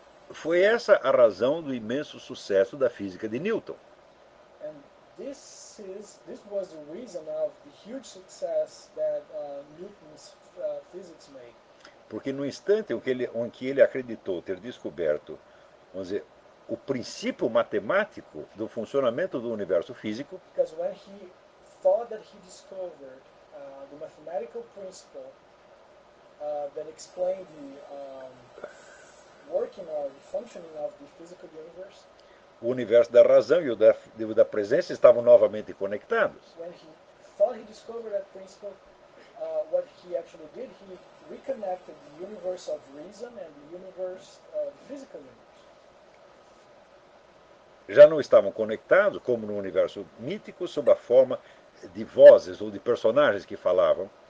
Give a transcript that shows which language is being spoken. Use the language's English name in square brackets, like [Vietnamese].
[Portuguese] Foi essa a razão do imenso sucesso da física de Newton. [English] And this was the reason of the huge success that Newton's physics made. [Portuguese] Porque no instante em que ele acreditou ter descoberto, vamos dizer, o princípio matemático do funcionamento do universo físico, [English] because when he thought that he discovered the mathematical principle that explained the working or the functioning of the physical universe. [Portuguese] O universo da razão e o da presença estavam novamente conectados. [English] When he thought he discovered that principle, what he actually did, he reconnected the universe of reason and the universe of the physical universe. [Portuguese] Já não estavam conectados, como no universo mítico, sob a forma de vozes ou de personagens que falavam.